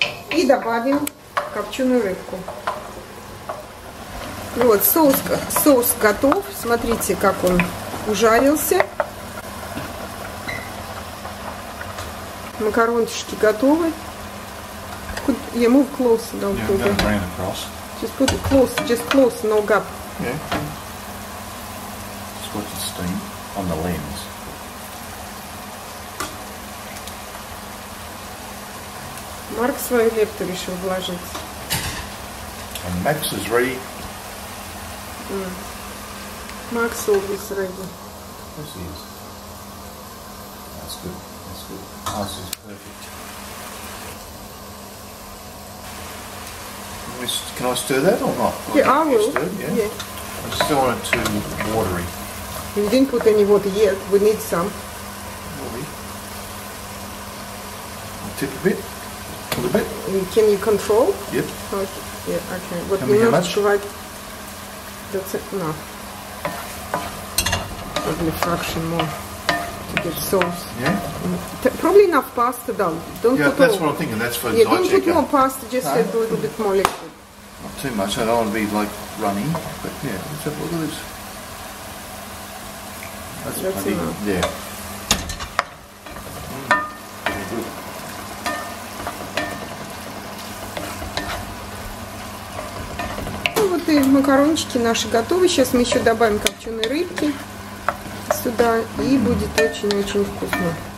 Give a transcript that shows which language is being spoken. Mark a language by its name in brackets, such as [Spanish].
[Russian] И добавим копченую рыбку. Вот, соус готов. Смотрите, как он ужарился. Макарончики готовы. Я [English] move close, [Russian] да, вот. [English] Just put it close, just close, no gap. Yeah. Squirt the steam on the lens. [Russian] Mark свою лепту решил вложить. [English] And Max is ready. Max always ready. Yes, he is. That's good, that's good. Max is perfect. Can I stir that or not? Yeah, I will. Stir, yeah. I still want it too watery. You didn't put any water yet. We need some. Maybe. Tip a bit. A little bit. Can you control? Yep. Okay. Yeah, okay. But tell me how much? No. Probably fraction more to get sauce. Yeah? Probably enough pasta, though. Don't yeah, put that's all. What I'm thinking. That's for yeah, don't put more pasta, just a little bit more liquid. Not too much. I don't want to be, like, runny. But, yeah, let's have a look at this. That's enough. [Russian] Yeah. Ну вот и макарончики наши готовы. Сейчас мы еще добавим копченой рыбки сюда, и будет очень-очень вкусно.